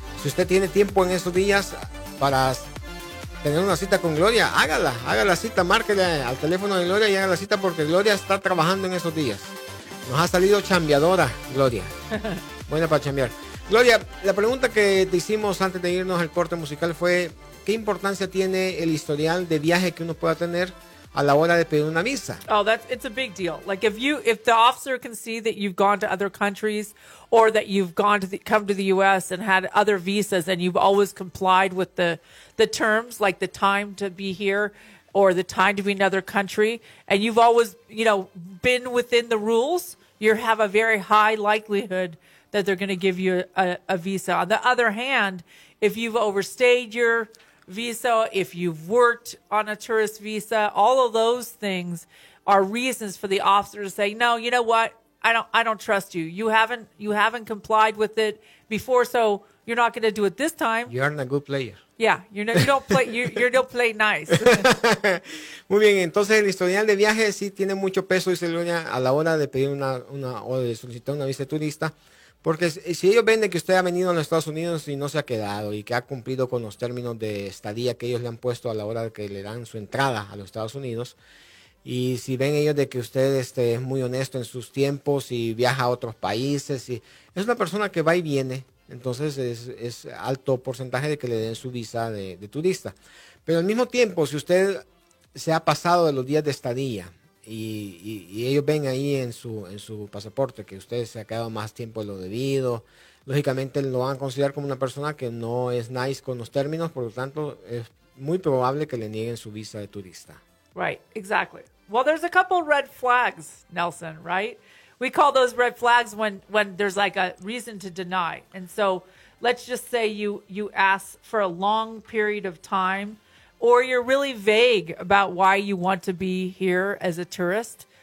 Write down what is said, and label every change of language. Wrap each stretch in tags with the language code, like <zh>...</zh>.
<es>Si usted tiene tiempo en esos días para tener una cita con Gloria, hágala, haga la cita, márquele al teléfono de Gloria y haga la cita, porque Gloria está trabajando en esos días. Nos ha salido chambeadora, Gloria. Buena para chambear. Gloria, la pregunta que te hicimos antes de irnos al corte musical fue: ¿qué importancia tiene el historial de viaje que uno pueda tener a la hora de pedir una visa?</es> <en>Oh, it's a big deal. Like if the officer can see that you've gone to other countries or that you've come to the U.S. and had other visas and you've always complied with the terms, like the time to be here or the time to be in another country, and you've always, you know, been within the rules, you have a very high likelihood that they're going to give you a visa. On the other hand, if you've overstayed your visa, if you've worked on a tourist visa, all of those things are reasons for the officer to say, no, you know what, I don't trust you. You haven't complied with it before, so you're not going to do it this time. You aren't a good player. Yeah, you don't play nice.</en> <es>Muy bien, entonces el historial de viaje sí tiene mucho peso, dice Luna, a la hora de pedir una o de solicitar una visa turista. Porque si ellos ven de que usted ha venido a los Estados Unidos y no se ha quedado y que ha cumplido con los términos de estadía que ellos le han puesto a la hora de que le dan su entrada a los Estados Unidos, y si ven ellos de que usted es muy honesto en sus tiempos y viaja a otros países, y es una persona que va y viene, entonces es alto porcentaje de que le den su visa de turista. Pero al mismo tiempo, si usted se ha pasado de los días de estadía, Y ellos ven ahí en su pasaporte que usted se ha quedado más tiempo de lo debido, lógicamente lo van a considerar como una persona que no es nice con los términos, por lo tanto es muy probable que le nieguen su visa de turista.</es> <en>Right, exactly. Well, there's a couple red flags, Nelson, right? We call those red flags when there's like a reason to deny. And so let's just say you ask for a long period of time, or you're really vague about why you want to be here as a tourist.</en>